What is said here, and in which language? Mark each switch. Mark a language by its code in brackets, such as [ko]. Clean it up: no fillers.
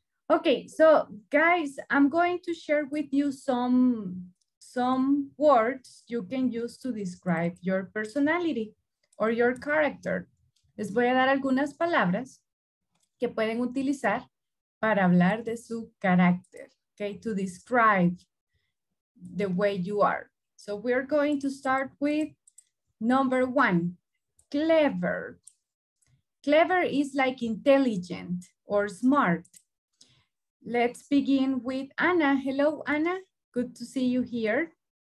[en] Okay, so guys, I'm going to share with you some words you can use to describe your personality. Or your character. [es] Les voy a dar algunas palabras que pueden utilizar para hablar de su carácter. [en] Okay, to describe the way you are. So we are going to start with number one, clever. Clever is like intelligent or smart. Let's begin with Anna. Hello, Anna. Good to see you here.